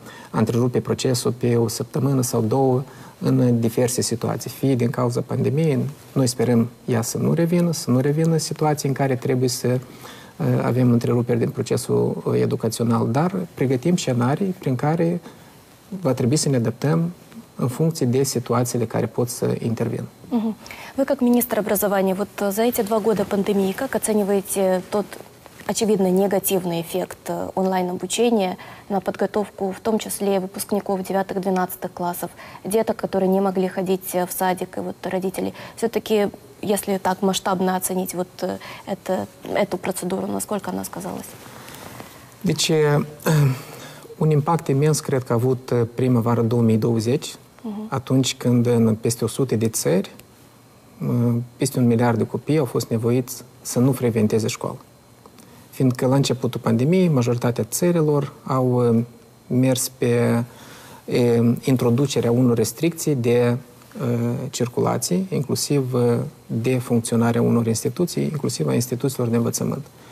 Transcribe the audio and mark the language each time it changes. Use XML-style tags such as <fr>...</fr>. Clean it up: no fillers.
<ro>a întrerupe procesul pe o săptămână sau două în diverse situații, fie din cauza pandemiei, noi sperăm ea să nu revină, să nu revină situații în care trebuie să avem întreruperi din procesul educațional, dar pregătim scenarii prin care va trebui să ne adaptăm în funcție de situațiile care pot să intervină.</ro> <ru>Вы как министр образования, вот за эти 2 года пандемии, как оцениваете тот, очевидно, негативный эффект онлайн-обучения на подготовку, в том числе выпускников 9-12 классов, деток, которые не могли ходить в садик, и вот родители? Все-таки, если так масштабно оценить вот эту процедуру, насколько она сказалась?</ru> <ro>Deci, un impact imens, cred că a avut primăvară 2020, atunci când în peste 100 de țări, peste 1 miliard de copii au fost nevoiți să nu frecventeze școală. Fiindcă la începutul pandemiei, majoritatea țărilor au mers pe introducerea unor restricții de circulație, inclusiv de funcționarea unor instituții, inclusiv a instituțiilor de învățământ.</ro>